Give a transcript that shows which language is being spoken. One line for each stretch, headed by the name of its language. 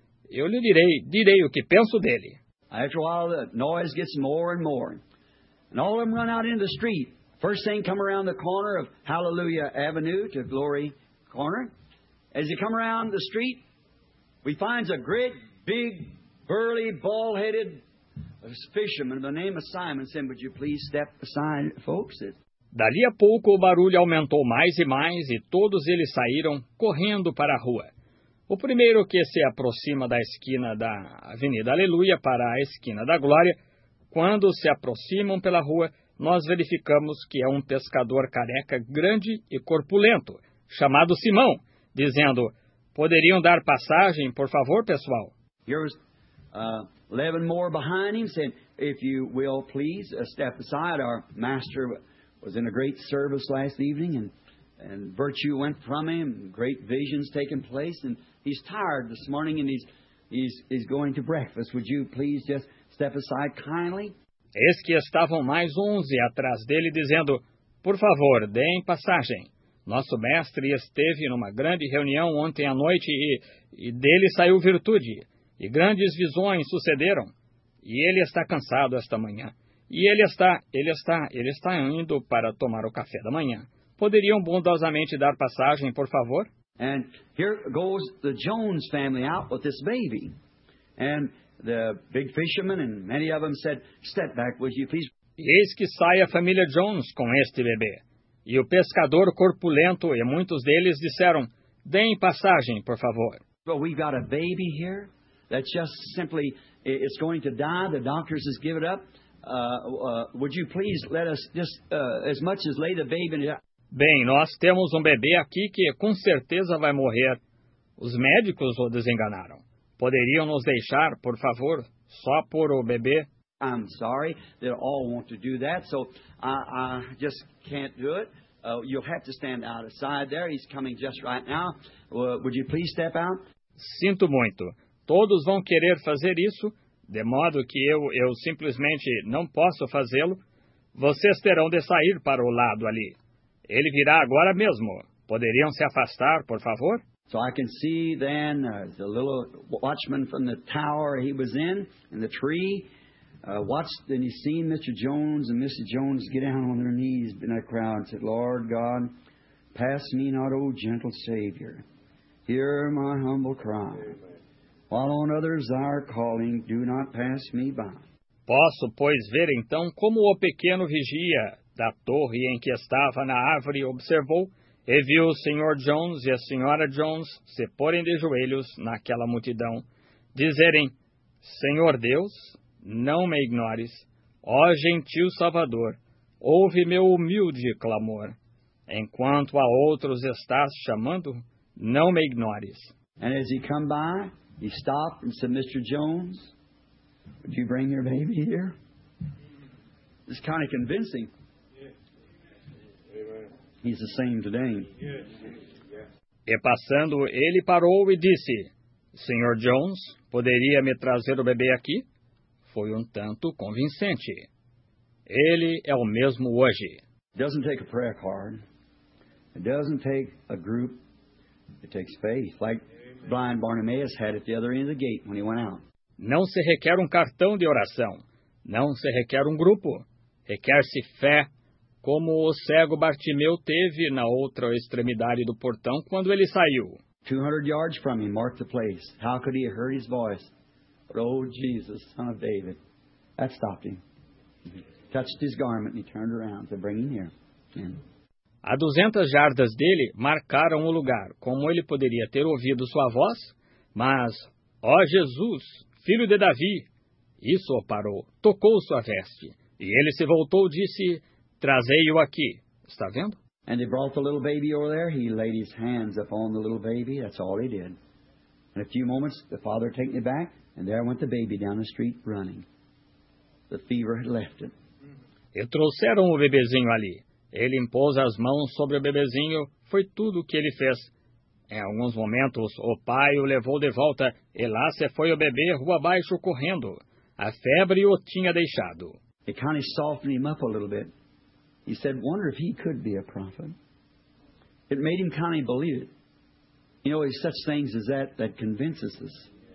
Portuguese: Eu lhe direi o que penso dele.
English: After a while, the noise gets more and more. And all of them run out into the street. First thing, come around the corner of Hallelujah Avenue to Glory Corner. As you come around the street, we finds a great, big, burly, bald-headed fisherman of the name of Simon. Said, would you please step aside, folks?
Portuguese: Dali a pouco, o barulho aumentou mais e mais, e todos eles saíram correndo para a rua. O primeiro que se aproxima da esquina da Avenida Aleluia para a esquina da Glória, quando se aproximam pela rua, nós verificamos que é um pescador careca grande e corpulento, chamado Simão, dizendo, poderiam dar passagem, por favor, pessoal?
English: Here was 11 more behind him, saying, if you will please step aside, our master was in a great service last evening, and virtue went from him, great visions taken place, and he's tired this morning, and he's going to breakfast. Would you please just step aside kindly?
Portuguese: Eis que estavam mais 11 atrás dele, dizendo, por favor, deem passagem. Nosso mestre esteve numa grande reunião ontem à noite, e dele saiu virtude, e grandes visões sucederam. E ele está cansado esta manhã. E ele está indo para tomar o café da manhã. Poderiam bondosamente dar passagem, por favor?
English: And here goes the Jones family out with this baby. And the big fisherman and many of them said, step back, would you please?
Portuguese: Eis que sai a família Jones com este bebê. E o pescador corpulento e muitos deles disseram, deem passagem, por favor.
English: Well, we've got a baby here that's just simply, it's going to die. The doctors has given up. Would you please let us just, as much as lay the baby in the...
Portuguese: Bem, nós temos um bebê aqui que com certeza vai morrer. Os médicos o desenganaram. Poderiam nos deixar, por favor, só por o bebê?
English: I'm sorry, they all want to do that, so I just can't do it. You'll have to stand outside there. He's coming just right now. Would you please step out?
Portuguese: Sinto muito. Todos vão querer fazer isso, de modo que eu simplesmente não posso fazê-lo. Vocês terão de sair para o lado ali. Ele virá agora mesmo. Poderiam se afastar, por favor?
English: So I can see then the little watchman from the tower he was in the tree, watched and he seen Mr. Jones and Mrs. Jones get down on their knees in that crowd and said, Lord God, pass me not, O gentle Savior. Hear my humble cry. While on others are calling, do not pass me by.
Portuguese: Posso, pois, ver então como o pequeno vigia da torre em que estava na árvore observou e viu o Sr. Jones e a Sra. Jones se porem de joelhos naquela multidão, dizerem, Senhor Deus, não me ignores, ó gentil Salvador, ouve meu humilde clamor. Enquanto a outros estás chamando, não me ignores.
English: And as he come by, he stopped and said, Mr. Jones, would you bring your baby here? It's kind of convincing. He's the same today.
Portuguese: E passando, ele parou e disse, Sr. Jones, poderia me trazer o bebê aqui? Foi tanto convincente. Ele é o mesmo hoje.
English: Doesn't take a prayer card. It doesn't take a group. It takes faith. Like blind Bartimaeus had at the other end of the gate when he went out.
Portuguese: Não se requer cartão de oração. Não se requer grupo. Requer-se fé, como o cego Bartimeu teve na outra extremidade do portão quando ele saiu.
English: 200 yards from him marked the place. How could he have heard his voice? But, oh, Jesus, son of David. That stopped him. He touched his garment and he turned around to bring him here. Amen.
Portuguese: A 200 jardas dele marcaram o lugar, como ele poderia ter ouvido sua voz, mas, ó Jesus, filho de Davi, isso o parou, tocou sua veste, e ele se voltou e disse, trazei-o aqui, está vendo?
English: And he brought the little baby over there, he laid his hands upon the little baby, that's all he did. In a few moments, the father took me back, and there went the baby down the street running. The fever had left him.
Portuguese: E trouxeram o bebezinho ali. Ele impôs as mãos sobre o bebezinho, foi tudo o que ele fez. Em alguns momentos, o pai o levou de volta, e lá se foi o bebê rua abaixo correndo. A febre o tinha deixado.
English: It kind of softened him up a little bit. He said, wonder if he could be a prophet. It made him kind of believe it. You know, it's such things as that that convinces us.